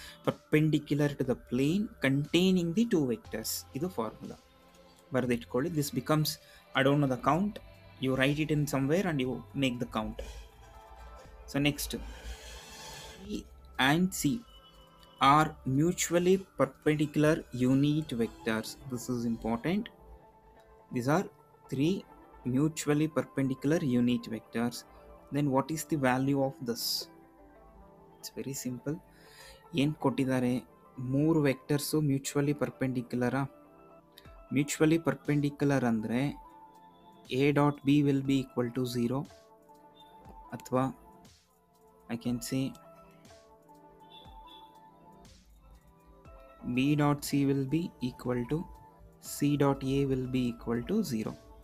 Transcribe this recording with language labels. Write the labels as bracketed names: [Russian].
[English] perpendicular to the plane containing the 2 vectors, [Kannada] ಇದು formula ಬರೆದಿಟ್ಕೊಳ್ಳಿ. [English] This becomes I don't know the count, you write it in somewhere and you make the count. So next, B and C are mutually perpendicular unit vectors, this is important. This are 3 mutually perpendicular unit vectors. Then what is the value of this? It's very simple. [Kannada] ಏನು ಕೊಟ್ಟಿದ್ದಾರೆ, 3 vectors mutually ಪರ್ಪೆಂಡಿಕ್ಯುಲರಾ? [English] Mutually perpendicular ಅಂದರೆ A dot B will be equal to 0, ಅಥವಾ I can see B dot C will be equal to C dot A will be equal to 0.